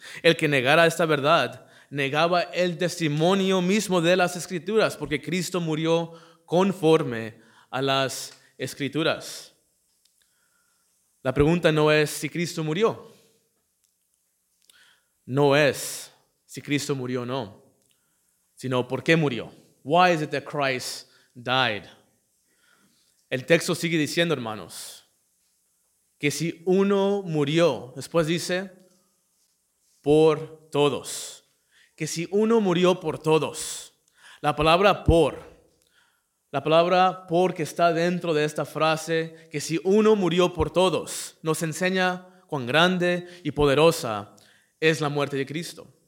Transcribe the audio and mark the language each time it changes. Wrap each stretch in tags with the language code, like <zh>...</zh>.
<es>El que negara esta verdad negaba el testimonio mismo de las Escrituras, porque Cristo murió conforme a las Escrituras. La pregunta no es si Cristo murió. No es si Cristo murió o no, sino por qué murió.</es> <en>Why is it that Christ died?</en> <es>El texto sigue diciendo, hermanos, que si uno murió, después dice, por todos. Que si uno murió por todos. La palabra por, la palabra por que está dentro de esta frase, que si uno murió por todos, nos enseña cuán grande y poderosa es la muerte de Cristo.</es>